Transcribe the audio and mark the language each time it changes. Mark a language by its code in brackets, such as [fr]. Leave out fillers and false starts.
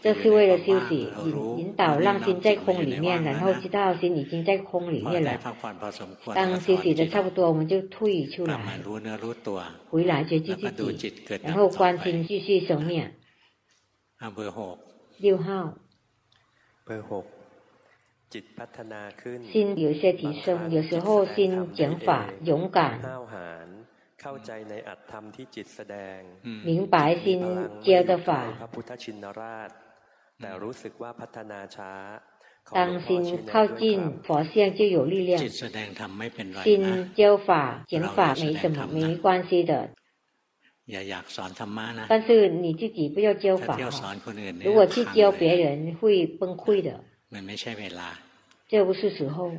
[zh] 这是为了休息引导让心在空里面然后知道心已经在空里面了当休息的差不多我们就退出来 [th] รู้เนื้อรู้ตัว [zh] 回来觉知自己然后观心继续生灭 [th] เบอร์6 [zh] 六号 [th] เบอร์6จิตพัฒนาขึ้น [zh] 心有些提升有时候心讲法勇敢 [th] เข้าใจในอัตธรรมที่จิตแสดง [zh] 明白心教的法 [th] พระพุทธชินราชแต่รู้สึกว่าพัฒนาช้า [zh] 当心靠近佛像就有力量 [th] จิตแสดงธรรมไม่เป็นไร [zh] 心教法讲法没什么没关系的 [th] อย่าอยากสอนธรรมะนะ [zh] 但是你自己不要教法 [th] ถ้าสอนคนอื่น [zh] 如果去教别人会崩溃的 [th] มันไม่ใช่เวลา [zh] 这不是时候